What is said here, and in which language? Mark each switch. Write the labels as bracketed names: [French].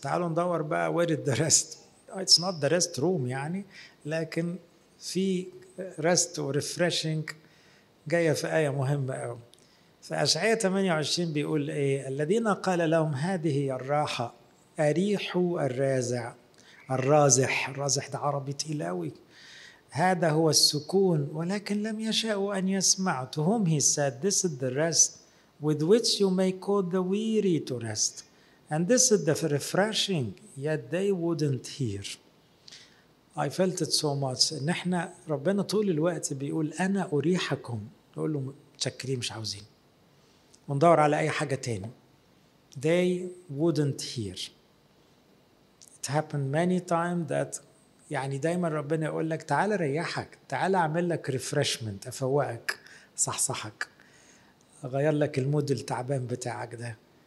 [Arabic] تعالوا ندور بقى [English] where the rest. It's not the rest room [Arabic] يعني، لكن في rest و refreshing جاية في آية مهمة قوي. فأشعياء 28 بيقول إيه؟ الذين قال لهم هذه هي الراحة أريحوا الرازع، الرازح، الرازح ده عربي تقلاوي، هذا هو السكون، ولكن لم يشاءوا أن يسمعوا. [English] To whom he said, this is the rest with which you may call the weary to rest, and this is the refreshing, yet they wouldn't hear. I felt it so much. [Arabic] إن إحنا ربنا طول الوقت بيقول أنا أريحكم، نقول له متشكرين مش عاوزين، وندور على أي حاجة تاني. [English] They wouldn't hear. It happened many times that [Arabic] يعني دايما ربنا يقول لك تعال ريحك، تعال اعمل لك ريفرشمنت، افوقك، صحصحك، اغير لك المود التعبان بتاعك ده.